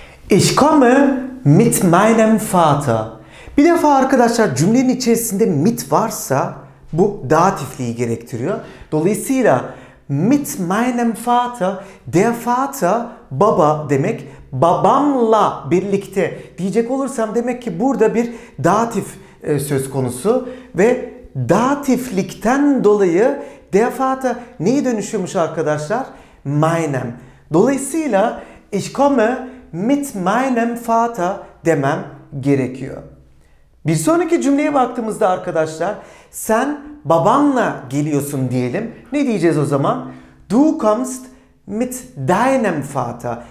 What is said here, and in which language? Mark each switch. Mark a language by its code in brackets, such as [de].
[de] Ich komme mit meinem Vater. [tr] Bir defa arkadaşlar cümlenin içerisinde mit varsa bu datifliği gerektiriyor. Dolayısıyla [de] mit meinem Vater, [tr] der Vater baba demek, babamla birlikte diyecek olursam demek ki burada bir datif söz konusu ve datiflikten dolayı der Vater neye dönüşüyormuş arkadaşlar? Meinem. Dolayısıyla [de] ich komme mit meinem Vater [tr] demem gerekiyor. Bir sonraki cümleye baktığımızda arkadaşlar sen babanla geliyorsun diyelim. Ne diyeceğiz o zaman? [de] Du kommst mit deinem Vater.